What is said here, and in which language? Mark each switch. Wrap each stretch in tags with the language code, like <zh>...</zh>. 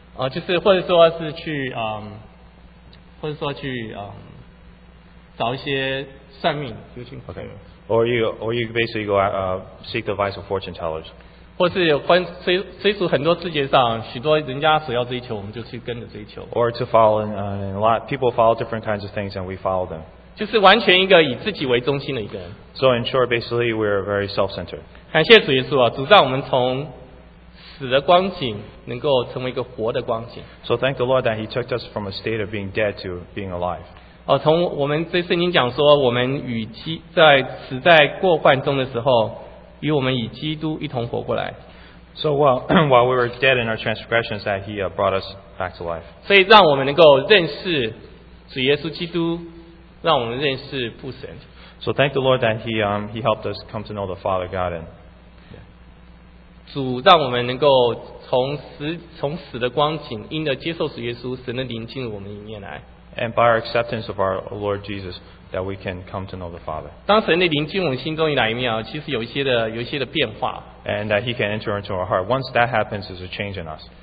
<zh>就是或者说是去或者说去找一些算命，就去。</zh> <en>Okay. Or you basically go out, seek the advice of fortune tellers.</en> <zh>或是追逐很多世界上许多人家所要追求，我们就去跟着追求。</zh> <en>Or to follow, a lot people follow different kinds of things, and we follow them.</en> <zh>就是完全一个以自己为中心的一个人。</zh> <en>So in short, basically, we're very self-centered.</en> <zh>感谢主耶稣啊，主让我们从死的光景能够成为一个活的光景。</zh> <en>So thank the Lord that He took us from a state of being dead to being alive.</en> <zh>从我们这圣经讲说，我们与基在死在过患中的时候，与我们与基督一同活过来。</zh> <en>So while we were dead in our transgressions, that He brought us back to life.</en> <zh>所以让我们能够认识主耶稣基督，让我们认识父神。</zh> <en>So thank the Lord that He helped us come to know the Father God. And</en> <zh>主让我们能够从死的光景，因着接受主耶稣，神的灵进入我们里面来。</zh> <en>And by our acceptance of our Lord Jesus, that we can come to know the Father.</en> <zh>当神的灵进我们心中来一面，其实有一些的变化。</zh> <en>And that He can enter into our heart. Once that happens, there's a change in us.</en>